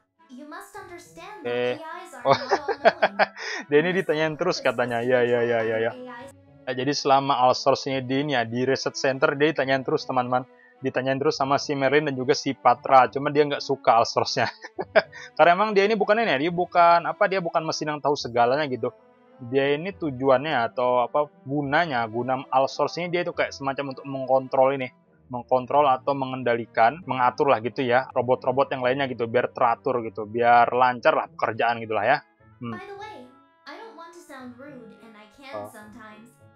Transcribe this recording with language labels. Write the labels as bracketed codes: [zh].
[en] You must understand that AIs are not alone. [id] Dia ini ditanyain terus katanya. Ya. Nah, jadi selama all source-nya di research center, dia ditanyain terus teman-teman. Ditanyain terus sama si Merlin dan juga si Patra. Cuma dia nggak suka all source-nya. Karena emang dia ini bukan ini ya. Dia bukan mesin yang tahu segalanya gitu. Dia ini tujuannya atau apa gunanya. Guna all source-nya dia itu kayak semacam untuk mengkontrol ini. Mengkontrol atau mengendalikan, mengatur lah gitu ya. Robot-robot yang lainnya gitu. Biar teratur gitu. Biar lancar lah pekerjaan gitu lah ya. [en] By the way, I don't want to sound rude and I can sometimes.